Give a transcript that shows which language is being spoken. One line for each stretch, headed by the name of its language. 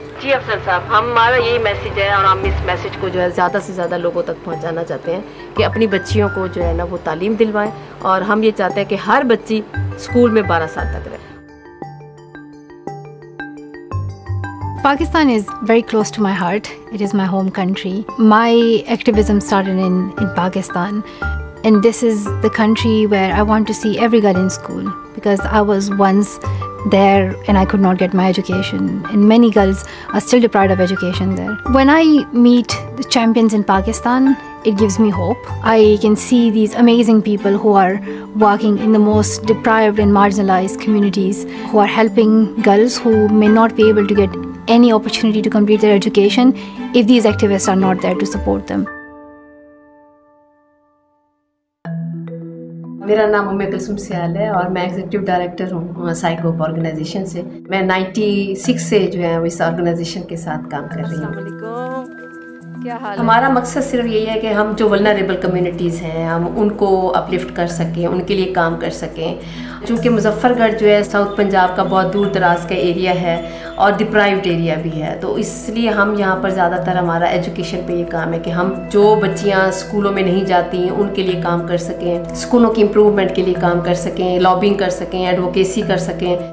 Hindi: जी अफसर साहब, हमारा यही मैसेज है और हम इस मैसेज को जो है ज़्यादा से ज़्यादा लोगों तक पहुंचाना चाहते हैं कि अपनी बच्चियों को जो है ना वो तालीम दिलवाएं और हम ये चाहते हैं कि हर बच्ची स्कूल में 12 साल तक रहे।
English: Pakistan is very close to my heart. It is my home country. My activism started in Pakistan. And this is the country where I want to see every girl in school because I was once there and I could not get my education. And many girls are still deprived of education there. When I meet the champions in Pakistan, it gives me hope. I can see these amazing people who are working in the most deprived and marginalized communities, who are helping girls who may not be able to get any opportunity to complete their education if these activists are not there to support them.
Hindi: मेरा नाम उम्मे कुलसुम सियाल है और मैं executive director हूँ साइकोप organisation से मैं 96 से जो है इस ऑर्गेनाइजेशन के साथ काम कर रही हूँ हमारा मकसद सिर्फ यही है कि हम जो वल्नरेबल कम्युनिटीज़ हैं हम उनको अपलिफ्ट कर सकें उनके लिए काम कर सकें क्योंकि मुजफ्फरगढ़ जो है साउथ पंजाब का बहुत दूर दराज का एरिया है और डिप्राइव्ड एरिया भी है तो इसलिए हम यहाँ पर ज़्यादातर हमारा एजुकेशन पे ये काम है कि हम जो बच्चियाँ स्कूलों में नहीं जाती हैं उनके लिए काम कर सकें स्कूलों की इम्प्रूवमेंट के लिए काम कर सकें लॉबिंग कर सकें एडवोकेसी कर सकें